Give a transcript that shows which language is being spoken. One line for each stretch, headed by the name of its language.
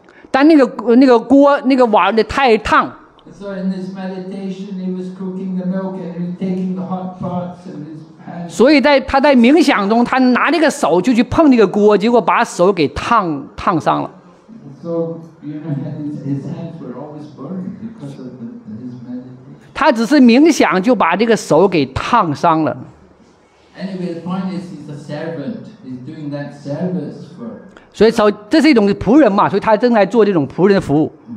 Chinese: 但那个锅那个碗的太烫。
English: So in this meditation, he was cooking the milk and he was taking the hot parts in his hands.
Chinese: 所以他在冥想中，他拿那个手就去碰那个锅，结果把手给烫伤了。
English: So you know, his hands were always burning because of his meditation.
Chinese: 他只是冥想就把这个手给烫伤了。
English: Anyway, the point is, he's a servant. He's doing that service for.
Chinese: 所以这是一种仆人嘛，所以他正在做这种仆人的服务。